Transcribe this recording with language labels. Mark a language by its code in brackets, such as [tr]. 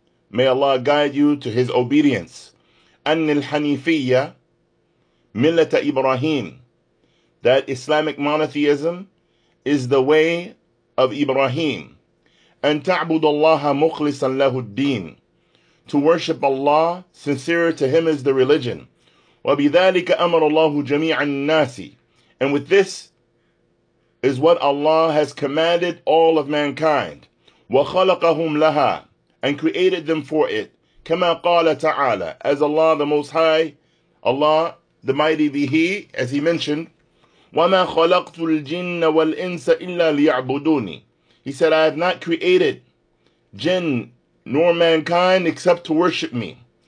[en] May Allah guide you to His obedience. [ar] أن الحنيفية ملة إبراهيم. [en] That Islamic monotheism is the way of Ibrahim. [ar] أن تعبد الله مخلصا له الدين. [en] To worship Allah, sincere to Him is the religion. [ar] وبذلك أمر الله جميع الناس. [en] And with this is what Allah has commanded all of mankind. [ar] وَخَلَقَهُمْ لَهَا [en] and created them for it. [ar] كَمَا قَالَ تَعَالَى [en] as Allah the Most High, Allah the Mighty be He, as He mentioned, [ar] وَمَا خَلَقْتُ الْجِنَّ وَالْإِنسَ إِلَّا لِيَعْبُدُونِ [en] He said, I have not created jinn nor mankind except to worship me.